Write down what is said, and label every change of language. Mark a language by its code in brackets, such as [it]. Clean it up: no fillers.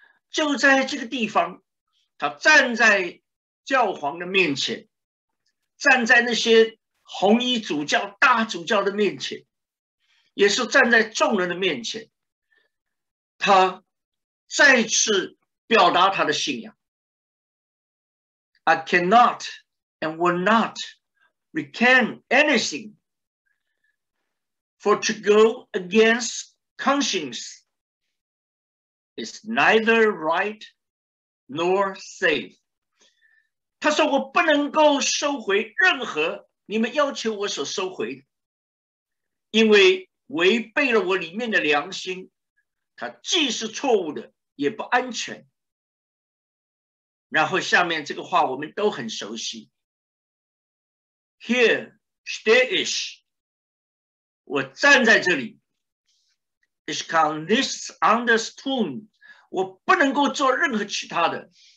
[zh] 就在这个地方，他站在教皇的面前，站在那些红衣主教大主教的面前，也是站在众人的面前，他再次表达他的信仰。 [en] I cannot and will not recant anything, for to go against conscience is neither right nor safe. [zh] 他说我不能够收回任何你们要求我所收回的，因为违背了我里面的良心，它既是错误的也不安全。然后下面这个话我们都很熟悉， [en] Here there is, [zh] 我站在这里， [en] is condensed on the stone, [zh] 我不能够做任何其他的。